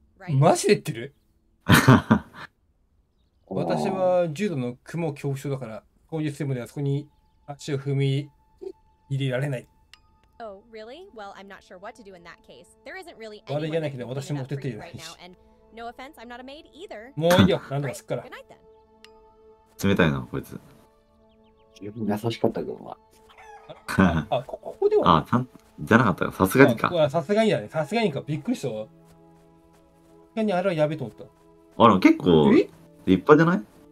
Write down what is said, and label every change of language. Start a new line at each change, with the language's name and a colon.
Japanese: マジでってる私は重度の蜘蛛恐怖症だから、こういうセムではそこに足を踏み入れられない。
English: Oh, really? Well, I'm not sure what to do in that case. There isn't really anyone to do that for you right now. And no offense, I'm not a maid either.
Japanese: もういいよ、なんだかすっから。冷たいな、こいつ。自分優しかったけどな。あ、ここでは。あ、じゃなかったか、さすがにか。さすがにやね、さすがにか、びっくりしたわ。さすがにあれはやべえと思った。あら、結構立派じゃない？